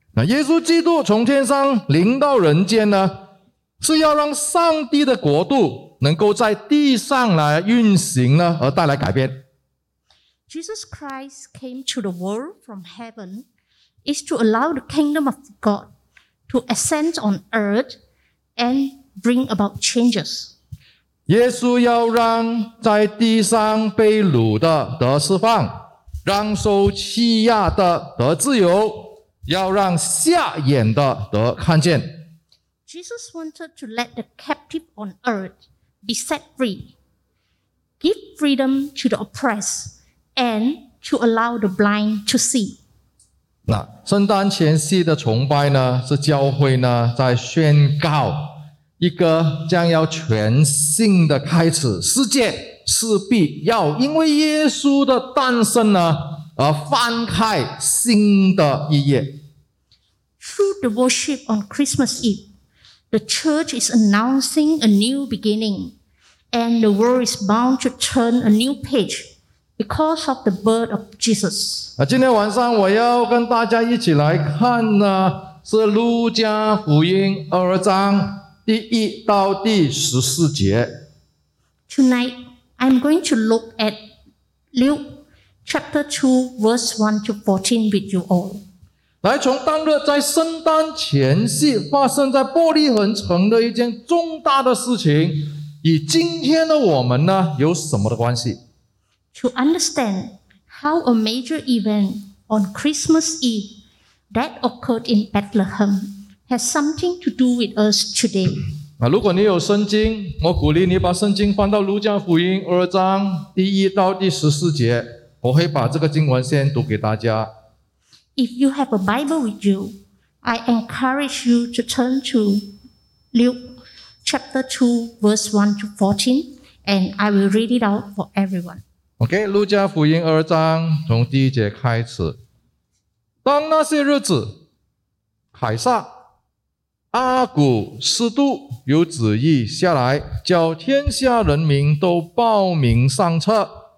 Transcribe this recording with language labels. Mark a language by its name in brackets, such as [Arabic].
[Chinese] 耶稣基督从天上临到人间呢，是要让上帝的国度能够在地上来运行呢，而带来改变。 [English] Jesus Christ came to the world from heaven is to allow the kingdom of God to ascend on earth and bring about changes. [Chinese] 耶稣要让在地上被掳的得释放，让受欺压的得自由，要让瞎眼的得看见。 [English] Jesus wanted to let the captive on earth be set free, give freedom to the oppressed,and to allow the blind to see. [Chinese] 圣诞前夕的崇拜呢，是教会呢在宣告一个将要全新的开始，世界势必要因为耶稣的诞生呢而翻开新的一页。 [English] Through the worship on Christmas Eve, the church is announcing a new beginning, and the world is bound to turn a new pageBecause of the birth of Jesus. [Chinese] 今天晚上我要跟大家一起来看呢，是路加福音二章第一到第十四节。 [English] Tonight, I'm going to look at Luke chapter 2, verse 1 to 14 with you all. [Chinese] 来，从当日在圣诞前夕发生在伯利恒城的一件重大的事情，与今天的我们呢有什么的关系？ [English] To understand how a major event on Christmas Eve that occurred in Bethlehem has something to do with us today. [Chinese] 如果你有圣经，我鼓励你把圣经翻到路加福音二章第一到第十四节，我会把这个经文先读给大家。 [English] If you have a Bible with you, I encourage you to turn to Luke chapter 2, verse 1 to 14, and I will read it out for everyone. [Chinese] OK, 路加福音二章从第一节开始。当那些日子，凯撒阿古斯都有旨意下来，叫天下人民都报名上册。